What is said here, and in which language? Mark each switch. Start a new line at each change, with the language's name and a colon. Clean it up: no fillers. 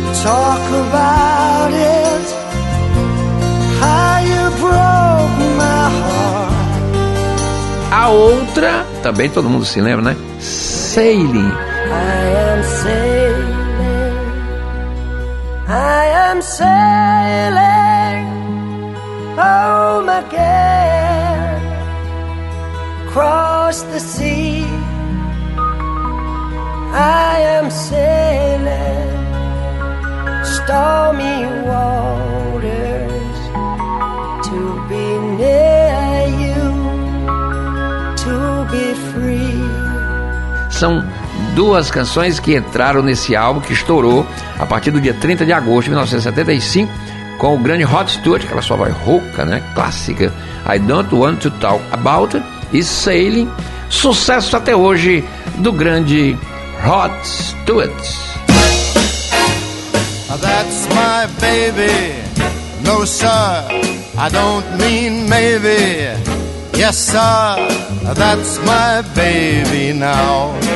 English: Talk about it, how you broke my heart.
Portuguese: A outra, também todo mundo se lembra, né?
English: Sailing. I am sailing, I am sailing. home again, across the sea. I am sailing stormy waters to be near you, to be free.
Portuguese: São duas canções que entraram nesse álbum que estourou a partir do dia 30 de agosto de 1975 com o grande Rod Stewart, aquela sua voz rouca, né, clássica, I Don't Want to Talk About It, e Sailing, sucesso até hoje do grande Rod Stewart.
English: That's my baby, no sir, I don't mean maybe, yes sir, that's my baby now.